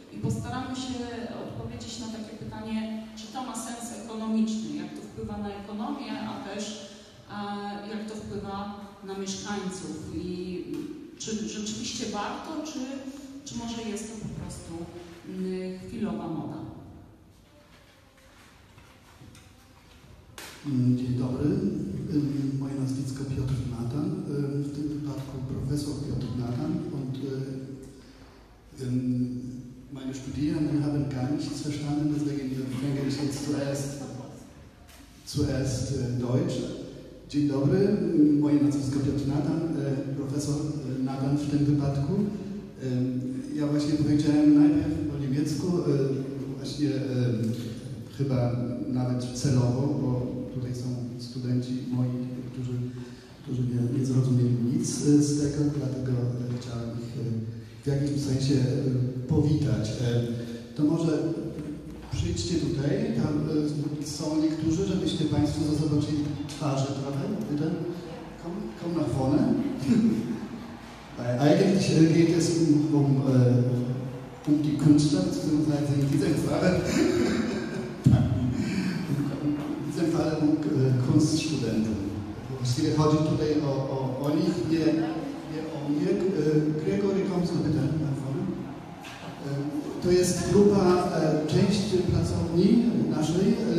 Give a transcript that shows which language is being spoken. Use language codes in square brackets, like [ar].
[pl] I postaramy się odpowiedzieć na takie pytanie, czy to ma sens ekonomiczny, jak to wpływa na ekonomię, a też jak to wpływa na mieszkańców i czy rzeczywiście warto, czy może jest to po prostu chwilowa moda. Dzień dobry. Moje nazwisko Piotr Natan, w tym wypadku profesor Piotr Natan. [de] Und meine Studierenden haben gar nichts verstanden, deswegen fange ich jetzt zuerst Deutsch. [pl] Dzień dobry. Moje nazwisko Piotr Natan, profesor Natan w tym wypadku. Ja właśnie powiedziałem najpierw po niemiecku, właśnie chyba nawet celowo, bo tutaj są studenci moi, którzy nie zrozumieli nic z tego, dlatego chciałem ich w jakimś sensie powitać. To może przyjdźcie tutaj, tam są niektórzy, żebyście Państwo zobaczyli twarze trochę. [de] Jeden, komm nach vorne. Eigentlich geht es um die Künstler, beziehungsweise in diesem Fall. [pl] W tym fale [de] Kunststudenten. [pl] Właściwie chodzi tutaj o nich, nie o mnie. [de] Gregory, komm zu bitte nach vorne. [pl] To jest grupa, część pracowni naszej.